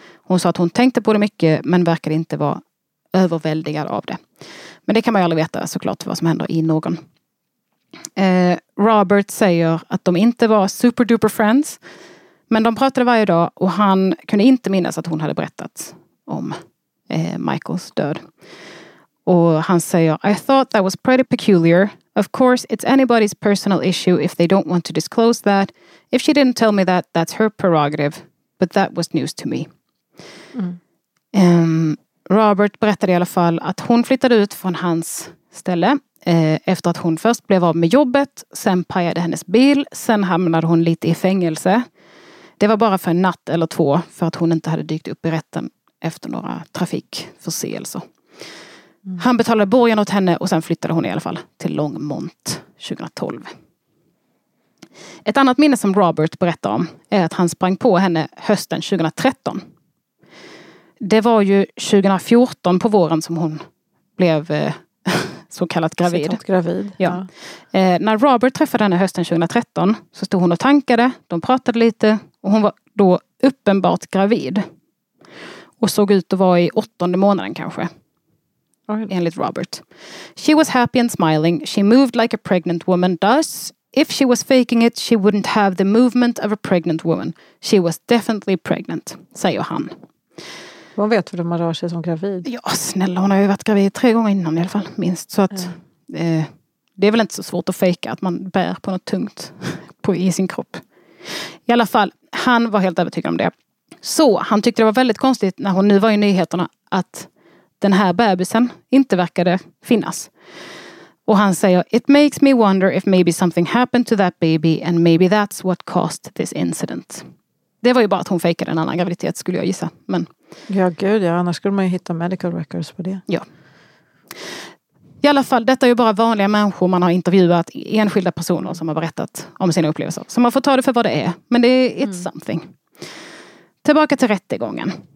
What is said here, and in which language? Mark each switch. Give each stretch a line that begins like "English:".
Swedish: Hon sa att hon tänkte på det mycket, men verkade inte vara överväldigad av det. Men det kan man ju aldrig veta såklart vad som händer i någon. Robert säger att de inte var
English: super duper friends.
Swedish: Men de pratade varje dag och han kunde inte minnas att hon hade berättat om Michaels död. Och han säger,
English: I thought that was pretty peculiar. Of course, it's anybody's personal issue if they don't want to disclose that. If she didn't tell me that, that's her prerogative. But that was news to me. Mm.
Swedish: Robert berättade i alla fall att hon flyttade ut från hans ställe efter att hon först blev av med jobbet, sen pajade hennes bil, sen hamnade hon lite i fängelse. Det var bara för en natt eller två för att hon inte hade dykt upp i rätten efter några trafikförseelser. Mm. Han betalade borgen åt henne och sen flyttade hon i alla fall till Longmont 2012. Ett annat minne som Robert berättar om är att han sprang på henne hösten 2013. Det var ju 2014 på våren som hon blev så kallat gravid. Ja. När Robert träffade henne hösten 2013 så stod hon och tankade, de pratade lite och hon var då uppenbart gravid. Och såg ut att vara i åttonde månaden kanske. Enligt Robert.
English: She was happy and smiling. She moved like a pregnant woman does. If she was faking it, she wouldn't have the movement of a pregnant woman. She was definitely pregnant,
Swedish: säger han. Hon vet hur man rör sig som gravid. Ja, snälla. Hon har ju varit gravid tre gånger innan i alla fall, minst. Så att, det är väl inte så svårt att fejka att man bär på något tungt i sin kropp. I alla fall, han var helt övertygad om det. Så, han tyckte det var väldigt konstigt när hon nu var i nyheterna att den här bebisen inte verkade finnas. Och han säger,
English: it makes me wonder if maybe something happened to that baby and maybe that's what caused this incident.
Swedish: Det var ju bara att hon fejkade en annan graviditet skulle jag gissa. Men... ja gud, ja. Annars skulle man ju hitta
English: medical records
Swedish: på det. Ja. I alla fall, detta är ju bara vanliga människor man har intervjuat, enskilda personer som har berättat om sina upplevelser. Så man får ta det för vad det är. Men det är
English: it's something.
Swedish: Tillbaka till rättegången.